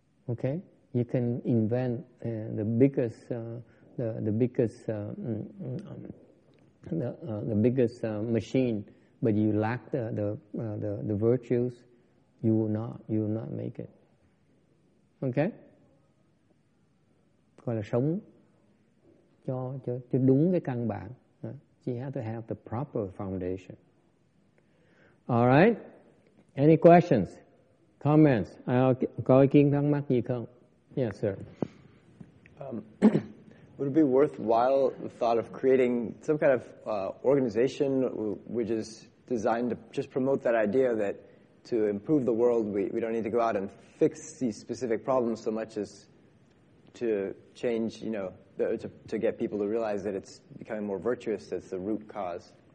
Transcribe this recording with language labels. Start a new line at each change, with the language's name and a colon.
English: Okay, you can invent the biggest machine, but you lack the virtues, you will not make it.
Vietnamese: Okay, gọi là sống cho đúng cái căn bản.
English: You have to have the proper foundation. All right, any questions, comments?
Vietnamese: Có ý kiến thắc mắc gì không?
English: Yes, sir. Would it be worthwhile the thought of creating some kind of organization which is designed to just promote that idea that to improve the world, we don't need to go out and fix these specific problems so much as to change, you know, to get people to realize that it's becoming more virtuous, that's the root cause?